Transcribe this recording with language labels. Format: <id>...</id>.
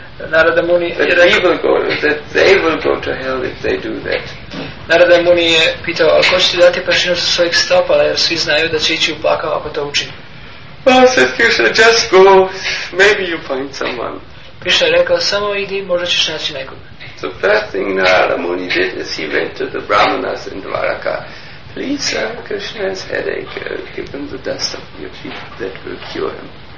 <en>Narada Muni</en> <sr>je rekao,</sr> <en>that they will go to hell if they do that.</en> <sr>Narada Muni je pitao, ali ko će ti dati prašinu sa svojih stopala, jer svi znaju da će ići u pakao ako to učini.</sr> <en>Well, said Krishna, just go, maybe you find someone.</en> <sr>Krishna je rekao, samo idi, možda ćeš naći nekog.</sr> <en>So first thing Narada Muni did is he went to the brahmanas in Dvaraka. Please, Krishna has headache, give him the dust of your feet, that will cure him.</en>